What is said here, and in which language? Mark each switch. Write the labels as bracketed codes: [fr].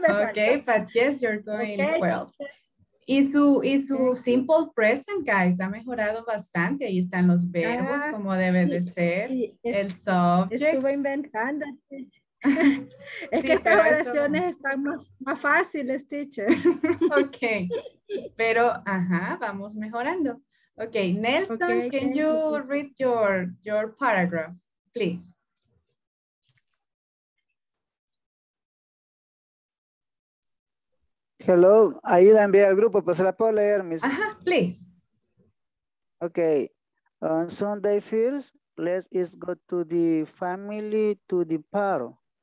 [en] Okay, [es] faltó. [en] But yes, you're going okay. Well. [es] Y su simple present, guys, ha mejorado bastante. Ahí están los verbos como debe de ser, el subject. Estuve inventando. Es sí, que estas oraciones están más fáciles, teacher. Ok, pero ajá, vamos mejorando. [en] Ok, Nelson, okay, can you read your paragraph, please? [es] Hello, ahí la envié al grupo, pues se la puedo leer, Miss. [en] Ajá, please. Ok, on Sunday first, let's go to the family to the paro.